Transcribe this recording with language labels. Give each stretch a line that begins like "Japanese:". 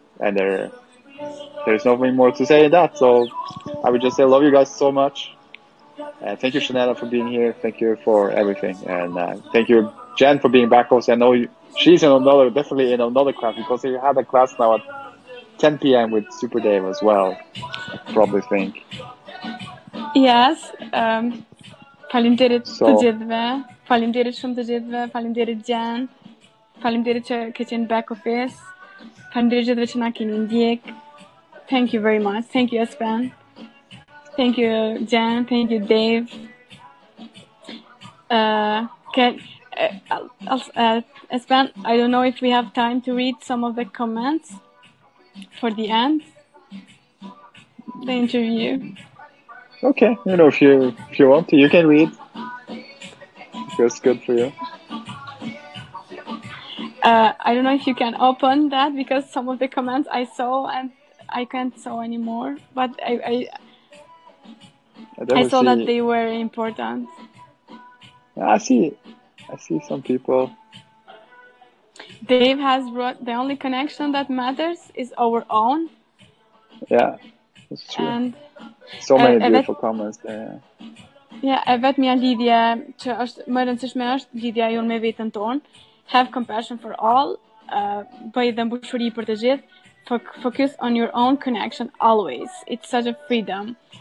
English: And there's nothing more to say than that. So I would just say love you guys so much. Thank you, Xheneta, for being here. Thank you for everything. And thank you, Jen, for being back. Also, I know she's definitely in another class because she had a class now at 10 p.m. with Super Dave as well, I probably think. Yes.
Albanian: Faleminderit të gjithëve. Faleminderit shumë të gjithëve. Faleminderit Jen. Faleminderit që ke qenë back office. Faleminderit gjithëve që na keni ndjek.
English: Thank you very much. Thank you, Espen. Thank you, Jen. Thank you, Dave. Espen, I don't know if we have time to read some of the comments for the end. The interview. Okay, you know, if you want to, you can read. Feels good for you. I don't know if you can open that because some of the comments I saw and I can't saw anymore. But I saw that they were important. I see some people. Dave has wrote, the only connection that matters is our own. Yeah, that's true. And so many beautiful comments there.
Albanian: Yeah, e vetmja lidhje që është më rëndësishme është lidhja jonë me veten tonë.
English: Have compassion for all.
Albanian: Bëj dhe mbushuri për të gjithë.
English: Focus on your own connection always. It's such a freedom.